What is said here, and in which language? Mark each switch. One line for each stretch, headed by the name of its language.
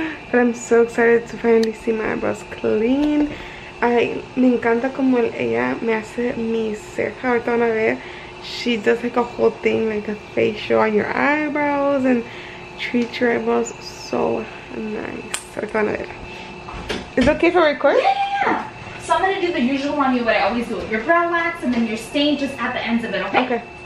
English: But I'm so excited to finally see my eyebrows clean.
Spanish: Me encanta como ella me hace mi ceja. Ahorita van a ver.
English: She does like a whole thing, like a facial on your eyebrows and treats your eyebrows so nice.
Spanish: Ahorita van a ver.
English: Is it okay for recording? Yeah. So I'm gonna do the usual on you, what I always do with your brow wax and then your stain just at the ends of it, okay?